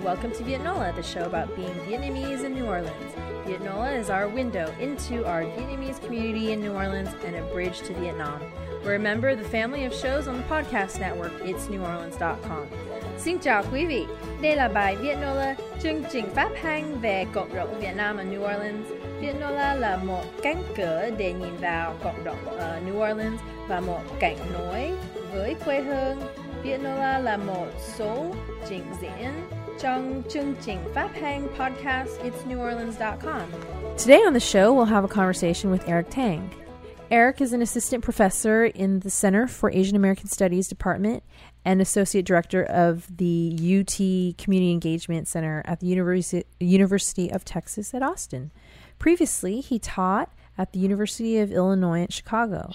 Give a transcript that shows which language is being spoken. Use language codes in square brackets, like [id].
[en] Welcome to VietNOLA, the show about being Vietnamese in New Orleans. VietNOLA is our window into our Vietnamese community in New Orleans and a bridge to Vietnam. We're a member of the family of shows on the podcast network, itsneworleans.com. [vi] Xin chào quý vị. Đây là bài VietNOLA chương trình phát hành về cộng đồng Việt Nam ở New Orleans. VietNOLA là một cánh cửa để nhìn vào cộng đồng ở New Orleans và một cảnh nối với quê hương. VietNOLA là một số trình diễn trong chương trình phát hành podcast itsneworleans.com. [en] Today on the show, we'll have a conversation with Eric Tang. Eric is an assistant professor in the Center for Asian American Studies Department and associate director of the UT Community Engagement Center at the University of Texas at Austin. Previously, he taught at the University of Illinois at Chicago.